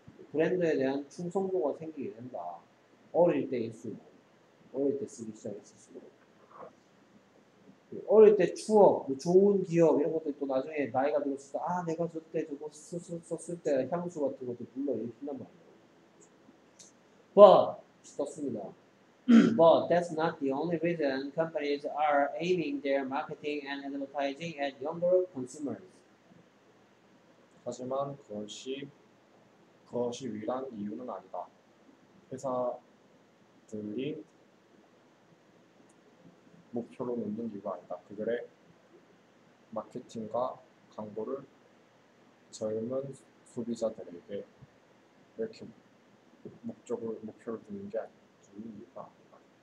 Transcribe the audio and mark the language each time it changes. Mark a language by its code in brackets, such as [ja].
[ko] 브랜드에 대한 충성도가 생기게 된다. 어릴 때일수록. 어릴 때 쓰기 시작했을수록. 어릴 때 추억, 좋은 기억, 이런 것들이 또 나중에 나이가 들었을 때, 아, 내가 저때 저거 썼을 때 향수 같은 것도 불러일으킨단 말이야. But, 썼습니다. [en] But that's not the only reason companies are aiming their marketing and advertising at younger consumers. [ko] 하지만 그것이 유일한 이유는 아니다. 회사들이 목표로 놓는 이유가 아니다. 그들의 마케팅과 광고를 젊은 소비자들에게 이렇게 목적을 목표를 두는 게 아닌 이유가 아니다.